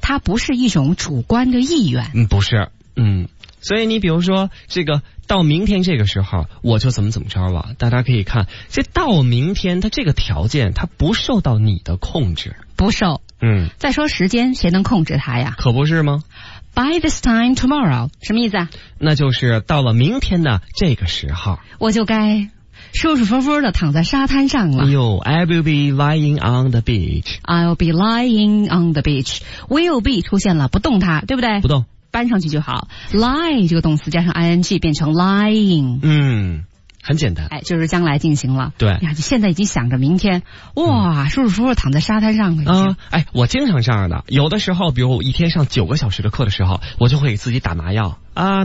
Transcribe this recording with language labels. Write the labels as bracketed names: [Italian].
[Chinese] 它不是一种主观的意愿嗯，不是嗯，所以你比如说这个到明天这个时候我就怎么怎么着了，大家可以看这到明天它这个条件它不受到你的控制，不受。嗯，再说时间谁能控制它呀，可不是吗？ [English] By this time tomorrow [Chinese] 什么意思啊？那就是到了明天的这个时候我就该舒舒服服的躺在沙滩上了。 [English] 哎呦 ，I will be lying on the beach. I'll be lying on the beach. [Chinese] Will be 出现了，不动它，对不对？不动，搬上去就好。 Lie 这个动词加上 ing 变成 lying。嗯，很简单。哎，就是将来进行了。对呀，就现在已经想着明天。哇，舒舒服服躺在沙滩上了。哎，我经常这样的。有的时候，比如我一天上九个小时的课的时候，我就会给自己打麻药啊。